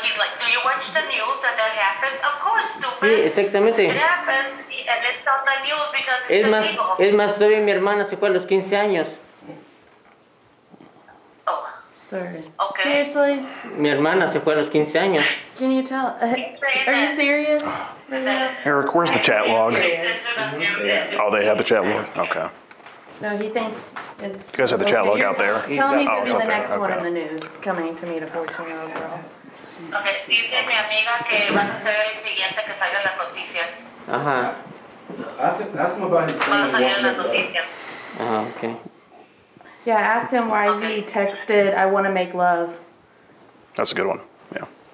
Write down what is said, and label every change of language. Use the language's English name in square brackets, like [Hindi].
[English] He's like, do you watch the news that happened? Of course, stupid. [Spanish] Sí, exactamente. [English] It happens, and it's not the news because it's illegal. [Spanish] Es más, todavía mi hermana se fue a los 15 años. [English] Oh. Sorry. Okay. Seriously? [Spanish] Mi hermana se fue a los 15 años. [English] Can you tell? Are you serious? Eric, where's the chat log? Yeah. Oh, they have the chat log? Okay. So he thinks it's... You guys have the chat log out there? Tell him he's going to be the next one in the news, coming to meet a 14-year-old girl. [Spanish] Okay, dice mi amiga que vas a ser el siguiente que salga en las noticias. Ajá. [English] Ask him about his son. [Spanish] Vas a salir en las noticias. Ajá, okay. [English] Yeah, ask him why he texted, I want to make love. That's a good one, yeah.